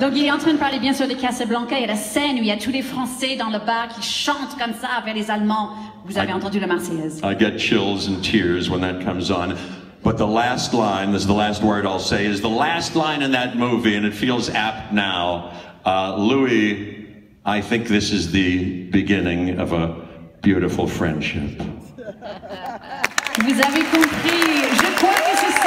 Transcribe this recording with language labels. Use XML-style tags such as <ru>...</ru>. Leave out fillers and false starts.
<fr>Donc il est en train de parler bien sûr de Casablanca et la scène où il y a tous les Français dans le bar qui chantent comme ça vers les Allemands. Vous avez entendu la Marseillaise.</fr> <en>I get chills and tears when that comes on. But the last line, this is the last word I'll say, is the last line in that movie, and it feels apt now. Louis, I think this is the beginning of a beautiful friendship.</en> <fr>Vous avez compris. Je crois que c'est...</fr>